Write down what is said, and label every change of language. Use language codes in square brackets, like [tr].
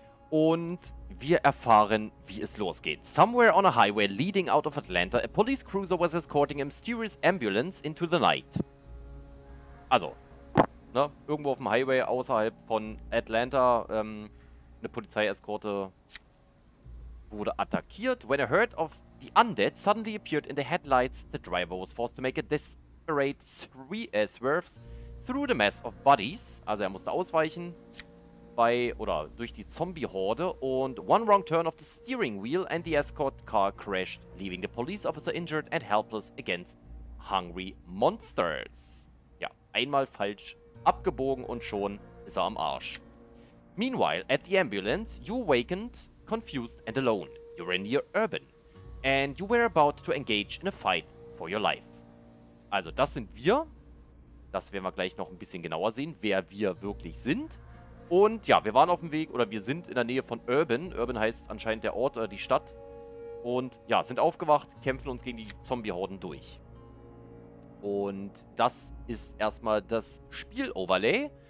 [de] Und wir erfahren, wie es losgeht. [en] Somewhere on a highway leading out of Atlanta, a police cruiser was escorting a mysterious ambulance into the night. [de] Also, ne, irgendwo auf dem Highway außerhalb von Atlanta, eine Polizeieskorte wurde attackiert. [en] When a herd of the undead suddenly appeared in the headlights, the driver was forced to make a desperate swerve through the mass of bodies. [de] Also er musste ausweichen. Durch die Zombie-Horde und [en] one wrong turn of the steering wheel and the escort car crashed, leaving the police officer injured and helpless against hungry monsters. [de] Ja, einmal falsch abgebogen und schon ist er am Arsch. [en] Meanwhile, at the ambulance, you awakened, confused and alone. You were near Urban and you were about to engage in a fight for your life. [de] Also das sind wir. Das werden wir gleich noch ein bisschen genauer sehen, wer wir wirklich sind. Und ja, wir waren auf dem Weg, oder wir sind in der Nähe von Urban. Urban heißt anscheinend der Ort oder die Stadt. Und ja, sind aufgewacht, kämpfen uns gegen die Zombie-Horden durch. Und das ist erstmal das Spiel-Overlay.